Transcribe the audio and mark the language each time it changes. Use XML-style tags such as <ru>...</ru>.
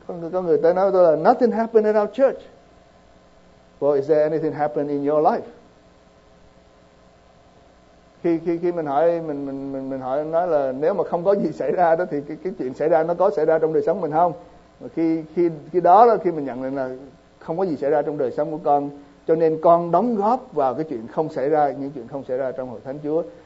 <vi>có người tới nói với tôi là</vi> <en>nothing happened at our church. Well, is there anything happened in your life?</en> <vi>Khi mình hỏi nói là nếu mà không có gì xảy ra đó thì cái chuyện xảy ra nó có xảy ra trong đời sống mình không? Và khi mình nhận lên là không có gì xảy ra trong đời sống của con, cho nên con đóng góp vào cái chuyện không xảy ra, những chuyện không xảy ra trong hội thánh Chúa.</vi>